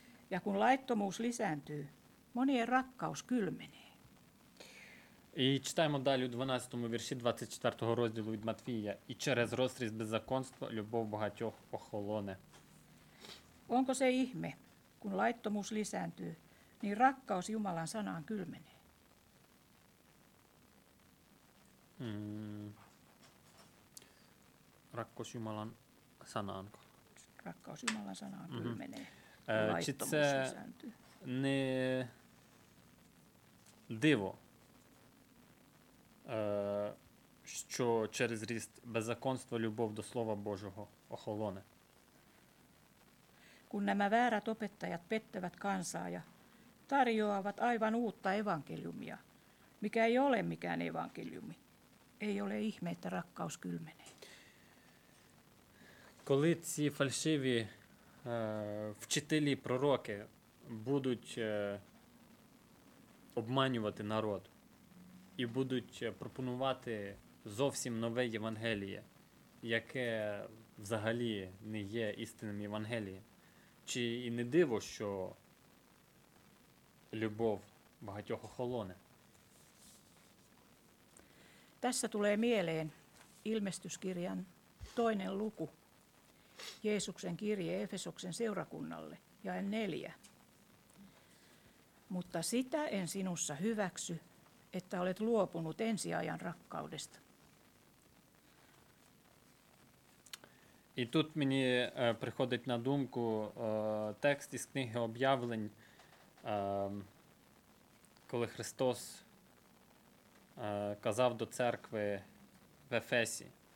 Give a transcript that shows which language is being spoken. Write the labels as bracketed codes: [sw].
[fi] Ja kun laittomuus lisääntyy, monien rakkaus kylmenee. [uk] І читаємо далі у 12-му вірші 24-го розділу від Матвія. І через розрізь беззаконства любов багатьох охолоне. [fi] Onko se ihme, kun laittomuus lisääntyy, niin rakkaus Jumalan sanaan kylmenee? Rakkaus Jumalan sanaan. Rakkaus Jumalan sanaan kylmenee. [uk] Чи це не диво, що через ріст беззаконства любов до Слова Божого охолоне? [fi] Kun nämä väärät opettajat pettävät kansaa ja tarjoavat aivan uutta evankeliumia, mikä ei ole mikään evankeliumi, ei ole ihme, että rakkaus kylmenee. [uk] Коли ці фальшиві вчителі, пророки будуть обманювати народ і будуть пропонувати зовсім нове Євангеліє, яке взагалі не є істинним Євангелієм. Чи і не диво, що любов багатьох охолоне? [fi] Tässä tulee mieleen ilmestyskirjan toinen luku. Jeesuksen kirje Efesoksen seurakunnalle, jae 4. Mutta sitä en sinussa hyväksy, että olet luopunut ensiajan rakkaudesta. [uk] І тут мені приходить на думку текст із книги Об'явлень, коли Христос казав до церкви в Ефесі.